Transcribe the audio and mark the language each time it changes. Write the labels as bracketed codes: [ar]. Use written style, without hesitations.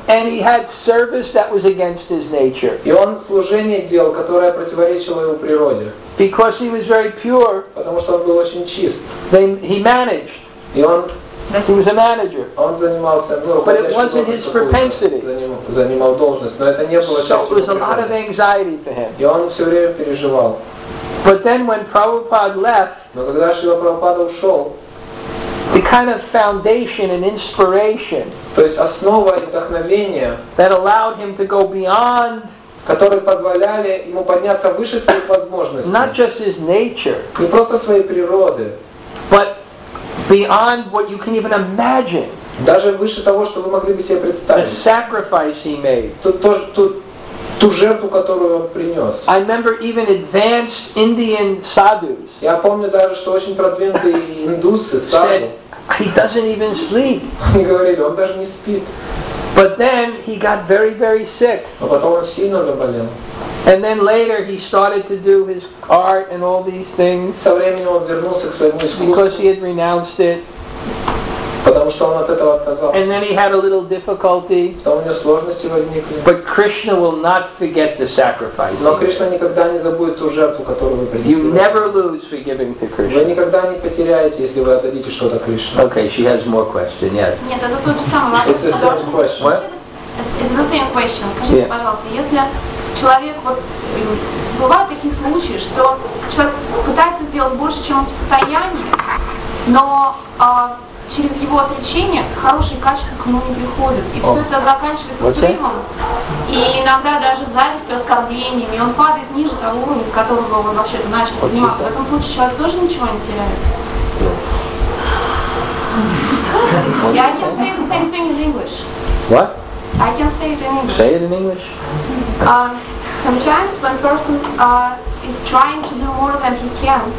[en] And he had service that was against his nature. [ru] И он служение делал, которое противоречило его природе. [en] Because he was very pure. [ru] Потому что он был очень чист. [en] Then he managed. [ru] И он. [en] He was a manager. [ru] Он занимался. Ну, [en] but it wasn't his propensity. [ru] Занимал должность, но это не было. [en] So it was a lot of anxiety for him. [ru] И он все время переживал. [en] But then when Prabhupada left. [ru] Но когда Шрила Прабхупада ушел. [en] The kind of foundation and inspiration that allowed him to go beyond, [ru] которые позволяли ему подняться выше своих возможностей, [en] not just his nature, [ru] не просто своей природы, [en] but beyond what you can even imagine, [ru] даже выше того, что вы могли бы себе представить, [en] the sacrifice he made, [ru] ту жертву, которую он принес. [en] I remember even advanced Indian sadhus. [ru] Я помню даже, что очень продвинутые индусы, [en] саду. He doesn't even sleep. [ru] Они говорили, он даже не спит. [en] But then he got very, very sick. [ru] Но потом он сильно заболел. [en] And then later he started to do his art and all these things. [ru] Со временем он вернулся к своему искусству. [en] Because he had renounced it. [ru] Потому что он от этого отказался. [en] And then he had a little difficulty. [ru] Потом у него сложности возникли. [en] But Krishna will not forget the sacrifice. [ru] Но Кришна никогда не забудет ту жертву, которую вы принесли. [en] You never lose for giving to Krishna. [ru] Вы никогда не потеряете, если вы отдадите что-то Кришне. [en] Okay, she has more questions. Yes. [ru] Нет, это тот же самый вопрос. [en] It's the same question. What? It's the same question. [ru] Скажите, [en] yeah. [ru] Пожалуйста, если человек вот бывают такие случаи, что человек пытается сделать больше, чем он в состоянии, но через его отречение хорошие качества к нему не приходят. И все это заканчивается стримом. И иногда даже зависть оскорблением, и он падает ниже того уровня, с которого он вообще-то начал подниматься. В этом случае человек тоже ничего не теряет. [en] I can say the same thing in English. What? I can say it in English. Say it in English. Sometimes when a person is trying to do more than he can,